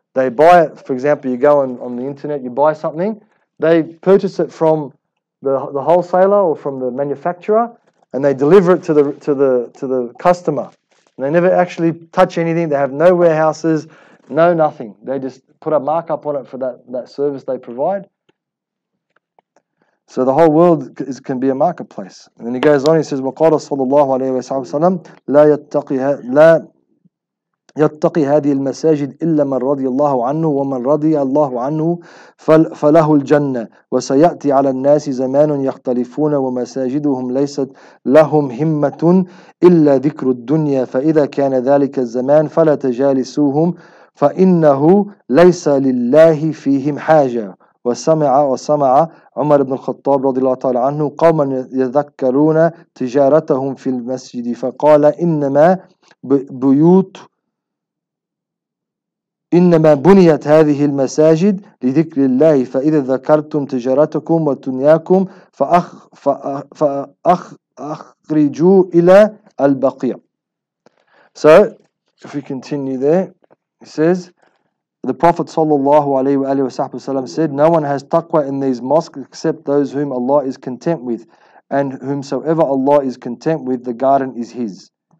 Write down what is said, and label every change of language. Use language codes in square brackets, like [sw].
[en] They buy it, for example, you go on the internet, you buy something, they purchase it from the wholesaler or from the manufacturer, and they deliver it to the customer. And they never actually touch anything, they have no warehouses, no nothing. They just put a markup on it for that service they provide. So the whole world can be a marketplace. And then he goes on, he says, [ar] وَقَالَ صَلَى اللَّهُ عَلَيْهِ وَسَلَّمْ لَا يَتَّقِهَا لَا يتقي هذه المساجد إلا من رضي الله عنه ومن رضي الله عنه فله الجنة وسيأتي على الناس زمان يختلفون ومساجدهم ليست لهم همة إلا ذكر الدنيا فإذا كان ذلك الزمان فلا تجالسوهم فإنه ليس لله فيهم حاجة وسمع عمر بن الخطاب رضي الله تعالى عنه قوما يذكرون تجارتهم في المسجد فقال إنما بيوت إنما بنيت هذه المساجد لذكر الله فإذا ذكرتم تجارتكم ودنياكم فأخرجوا إلى البقيع. [en] So, if we continue there, he says, the Prophet sallallahu alaihi wasallam said, no one has taqwa in these mosques except those whom Allah is content with, and whomsoever Allah is content with, the garden is his.